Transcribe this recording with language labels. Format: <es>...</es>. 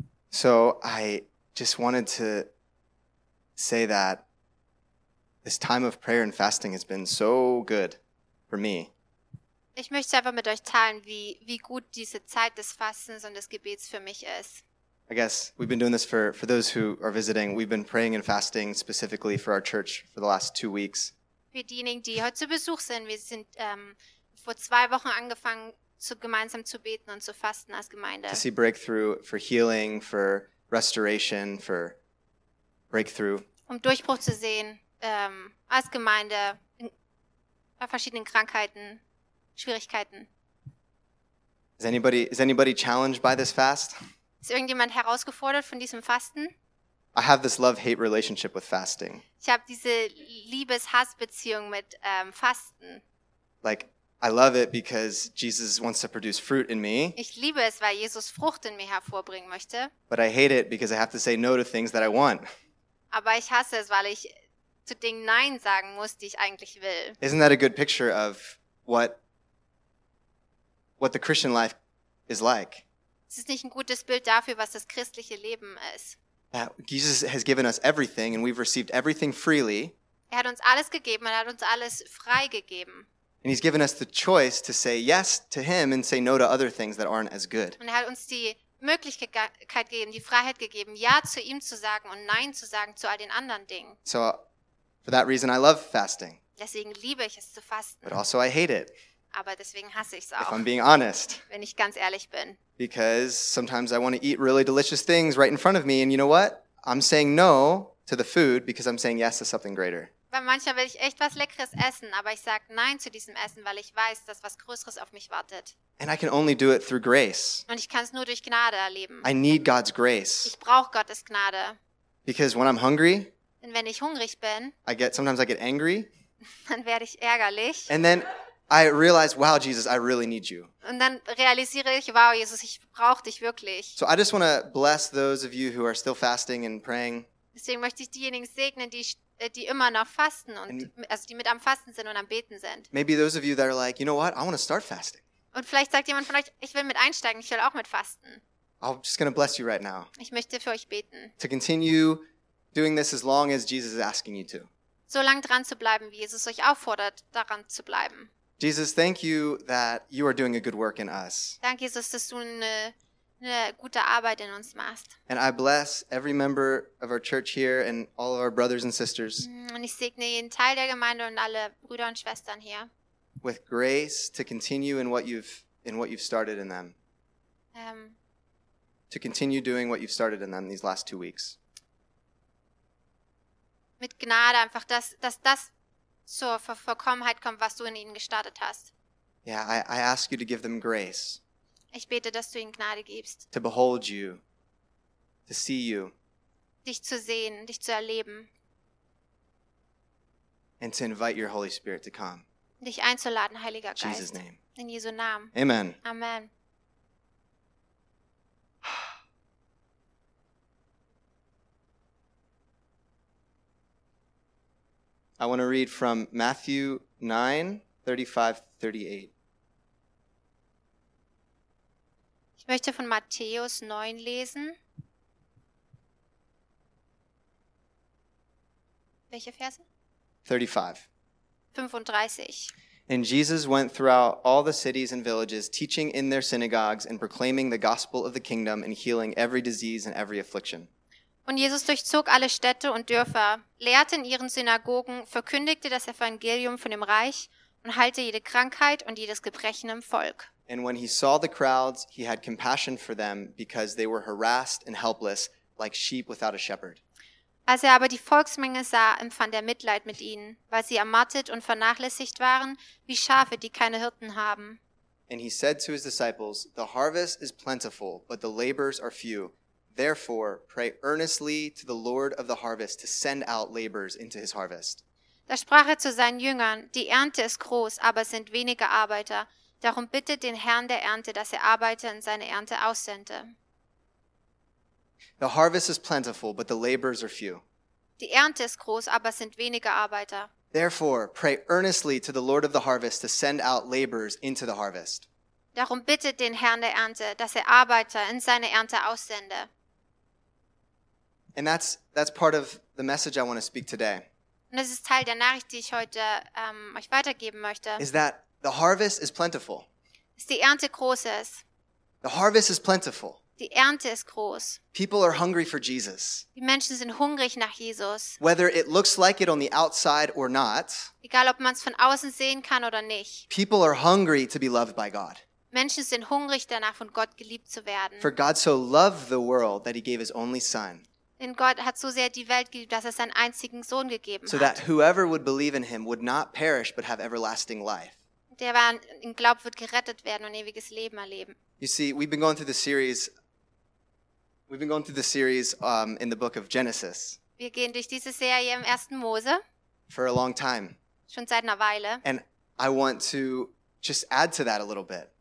<en>So I just wanted to say that this time of prayer and fasting has been so good for me.</en> <de>Ich möchte einfach mit euch teilen, wie gut diese Zeit des Fastens und des Gebets für mich ist.</de> <en>I guess we've been doing this for those who are visiting. We've been praying and fasting specifically for our church for the last 2 weeks.</en> <de>Für diejenigen, die heute zu Besuch sind, wir sind vor 2 Wochen angefangen, gemeinsam zu beten und zu fasten als Gemeinde.</de> <en>To see breakthrough for healing, for restoration, for breakthrough.</en> <de>Um Durchbruch zu sehen als Gemeinde bei verschiedenen Krankheiten, Schwierigkeiten.</de> <en>Is anybody challenged by this fast?</en> <de>Ist irgendjemand herausgefordert von diesem Fasten?</de> <en>I have this love-hate relationship with fasting.</en> <de>Ich habe diese Liebes-Hass-Beziehung mit Fasten.</de> <en>Like, I love it because Jesus wants to produce fruit in me.</en> <de>Ich liebe es, weil Jesus Frucht in mir hervorbringen möchte.</de> <en>But I hate it because I have to say no to things that I want.</en> <de>Aber ich hasse es, weil ich zu Dingen Nein sagen muss, die ich eigentlich will.</de> <en>Isn't that a good picture of what the Christian life is like?</en> <de>Es ist nicht ein gutes Bild dafür, was das christliche Leben ist.</de> <en>That Jesus has given us everything and we've received everything freely.</en> <de>Er hat uns alles gegeben, er hat uns alles freigegeben.</de> <en>And he's given us the choice to say yes to him and say no to other things that aren't as good.</en> <de>Und er hat uns die Möglichkeit gegeben, die Freiheit gegeben, ja zu ihm zu sagen und nein zu sagen zu all den anderen Dingen.</de> <en>So for that reason I love fasting.</en> <de>Deswegen liebe ich es zu fasten.</de> <en>But also I hate it.</en> <de>Aber deswegen hasse ich es auch.</de> <en>If I'm being honest.</en> <de>Wenn ich ganz ehrlich bin.</de> <en>Because sometimes I want to eat really delicious things right in front of me and you know what? I'm saying no to the food because I'm saying yes to something greater.</en> <de>Weil manchmal will ich echt was Leckeres essen, aber ich sage Nein zu diesem Essen, weil ich weiß, dass was Größeres auf mich wartet.</de> <en>And I can only do it through grace.</en> <de>Und ich kann es nur durch Gnade erleben.</de> <en>I need God's grace.</en> <de>Ich brauche Gottes Gnade.</de> <en>Because when I'm hungry,</en> <de>und wenn ich hungrig bin,</de> <en>sometimes I get angry,</en> <de>dann werde ich ärgerlich.</de> <en>And then I realize, wow, Jesus, I really need you.</en> <de>Und dann realisiere ich, wow, Jesus, ich brauche dich wirklich.</de> <en>So I just want to bless those of you who are still fasting and praying.</en> <de>Deswegen möchte ich diejenigen segnen, die immer noch fasten und also die mit am Fasten sind und am Beten sind.</de> <en>Maybe those of you that are like, you know what, I want to start fasting.</en> <de>Und vielleicht sagt jemand von euch, ich will mit einsteigen, ich will auch mit fasten.</de> <en>I'm just going to bless you right now.</en> <de>Ich möchte für euch beten.</de> <en>To continue doing this as long as Jesus is asking you to.</en> <de>So lange dran zu bleiben, wie Jesus euch auffordert, daran zu bleiben.</de> <en>Jesus, thank you that you are doing a good work in us.</en> <de>Danke, Jesus, dass du eine gute Arbeit in uns machst.</de> <en>And I bless every member of our church here and all of our brothers and sisters.</en> <de>Und ich segne jeden Teil der Gemeinde und alle Brüder und Schwestern hier.</de> <en>With grace to continue in what you've started in them. To continue doing what you've started in them these last 2 weeks.</en> <de>Mit Gnade einfach das zur Vollkommenheit kommt, was du in ihnen gestartet hast.</de> <en>Yeah, I ask you to give them grace.</en> <de>Ich bete, dass du ihnen Gnade gibst.</de> <en>To behold you. To see you.</en> <de>Dich zu sehen, dich zu erleben.</de> <en>And to invite your Holy Spirit to come.</en> <de>Dich einzuladen, Heiliger Geist.</de> <en>Jesus name.</en> <de>In Jesu Namen.</de> <en>Amen.</en> <de>Amen.</de> <en>I want to read from Matthew 9:35-38.</en> <de>Ich möchte von Matthäus 9 lesen. Welche Verse?</de> <en>35.</en> <de>35.</de> <en>And Jesus went throughout all the cities and villages, teaching in their synagogues and proclaiming the gospel of the kingdom and healing every disease and every affliction.</en> <de>Und Jesus durchzog alle Städte und Dörfer, lehrte in ihren Synagogen, verkündigte das Evangelium von dem Reich und heilte jede Krankheit und jedes Gebrechen im Volk.</de> <en>And when he saw the crowds, he had compassion for them because they were harassed and helpless, like sheep without a shepherd.</en> <de>Als er aber die Volksmenge sah, empfand er Mitleid mit ihnen, weil sie ermattet und vernachlässigt waren, wie Schafe, die keine Hirten haben.</de> <en>And he said to his disciples, "The harvest is plentiful, but the laborers are few. Therefore, pray earnestly to the Lord of the harvest to send out laborers into his harvest."</en> <de>Da sprach er zu seinen Jüngern, die Ernte ist groß, aber es sind wenige Arbeiter. Darum bittet den Herrn der Ernte, dass er Arbeiter in seine Ernte aussende.</de> <en>The harvest is plentiful, but the laborers are few.</en> <de>Die Ernte ist groß, aber es sind wenige Arbeiter.</de> <en>Therefore, pray earnestly to the Lord of the harvest to send out laborers into the harvest.</en> <de>Darum bittet den Herrn der Ernte, dass er Arbeiter in seine Ernte aussende.</de> <en>And that's part of the message I want to speak today.</en> <de>Und das ist Teil der Nachricht, die ich heute euch weitergeben möchte.</de> <en>Is that the harvest is plentiful.</en> <de>Ist die Ernte großes.</de> <en>The harvest is plentiful.</en> <de>Die Ernte ist groß.</de> <en>People are hungry for Jesus.</en> <de>Die Menschen sind hungrig nach Jesus.</de> <en>Whether it looks like it on the outside or not.</en> <de>Egal ob man es von außen sehen kann oder nicht.</de> <en>People are hungry to be loved by God.</en> <de>Menschen sind hungrig danach, von Gott geliebt zu werden.</de> <en>For God so loved the world that he gave his only son.</en> <de>Denn Gott hat so sehr die Welt geliebt, dass er seinen einzigen Sohn gegeben hat.</de> <en>So that whoever would believe in him would not perish but have everlasting life.</en> <de>Der war im Glauben wird gerettet werden und ewiges Leben erleben.</de> <en>You see, we've been going through the series in the book of Genesis.</en> <de>Wir gehen durch diese Serie im 1. Mose.</de> <en>For a long time.</en> <de>Schon seit einer Weile.</de> <en>And I want to just add to that a little bit.</en>